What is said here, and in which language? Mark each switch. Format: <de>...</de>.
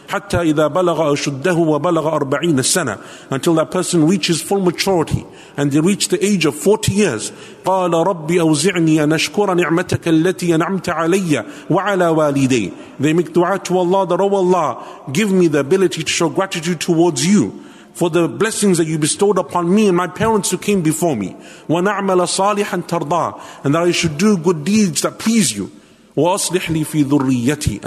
<ar>حتى إذا بلغ أشده وبلغ 40 سنة.</ar> <en>Until that person reaches full maturity and they reach the age of 40 years.</en> <ar>قال ربي أوزعني أن أشكر نعمتك التي أنعمت علي وعلى والدي.</ar> <en>They make dua to Allah that, oh Allah, give me the ability to show gratitude towards you for the blessings that you bestowed upon me and my parents who came before me.</en> <ar>وَنَعْمَلَ صَالِحًا تَرْضَى.</ar> <en>And that I should do good deeds that please you.</en> <ar>وَأَصْلِحْ لِي فِي ذُرِّيَّتِي.</ar>